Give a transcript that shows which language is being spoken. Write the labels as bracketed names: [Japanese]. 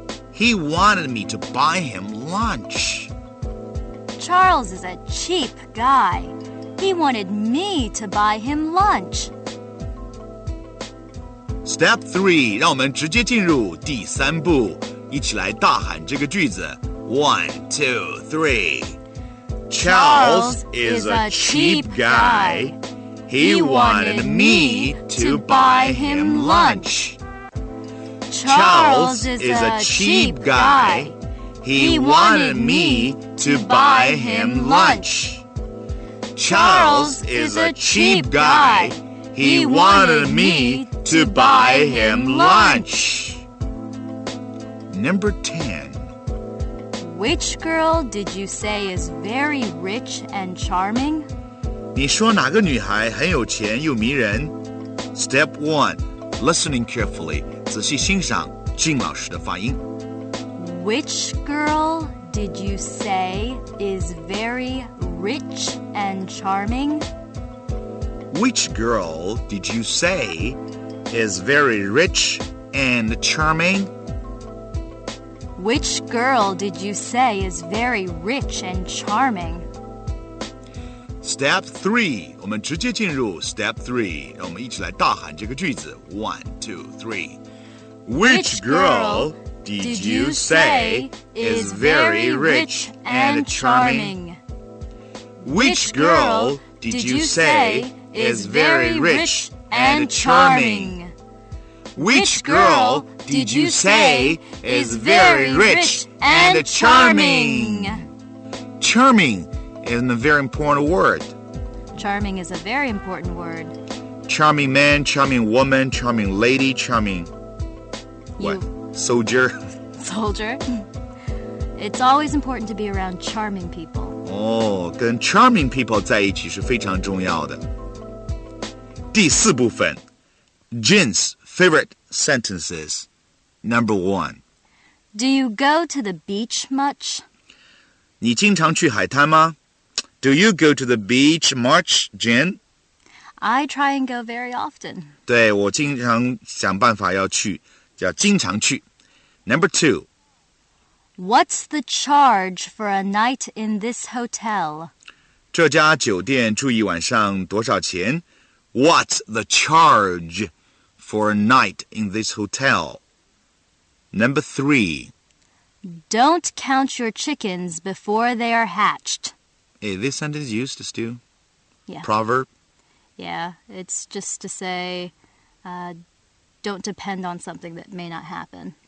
[English] He wanted me to buy him lunch. Charles is a cheap guy. He wanted me to buy him lunch. Step 3, [Chinese] 让我们直接进入第三步，一起来大喊这个句子。 [English] One, two, three. Charles is a cheap guy. He wanted me to buy him lunch. Charles is a cheap guy. He wanted me to buy him lunch. Charles is a cheap guy. He wanted me to buy him lunch. Number 10. Which girl did you say is very rich and charming? [Chinese] 你说哪个女孩很有钱又迷人? [English] Step 1. Listening carefully. [Chinese] 仔细欣赏静老师的发音。 [English] Which girl did you say is very rich and charming? Which girl did you say is very rich and charming? Which girl did you say is very rich and charming? Step 3, [Chinese] 我们直接进入 [English] Step 3, [Chinese] 让我们一起来大喊这个句子。 [English] 1, 2, 3. Which girl... Did you say is very rich and charming? Which girl did you say is very rich and charming? Which girl did you say is very rich and charming? Charming is a very important word. Charming is a very important word. Charming man, charming woman, charming lady, charming... What? Soldier? Soldier. It's always important to be around charming people. [Chinese] Oh, 跟 [English] charming people [Chinese] 在一起是非常重要的。第四部分 [English] Jin's favorite sentences. Number 1. Do you go to the beach much? [Chinese] 你经常去海滩吗? [English] Do you go to the beach much, Jin? I try and go very often. [Chinese] 对,我经常想办法要去,要经常去。 [English] Number 2. What's the charge for a night in this hotel? [Chinese] 这家酒店住一晚上多少钱? [English] What's the charge for a night in this hotel? Number 3. Don't count your chickens before they are hatched. Hey, this sentence used to do? Yeah. Proverb? Yeah, it's just to say, don't depend on something that may not happen.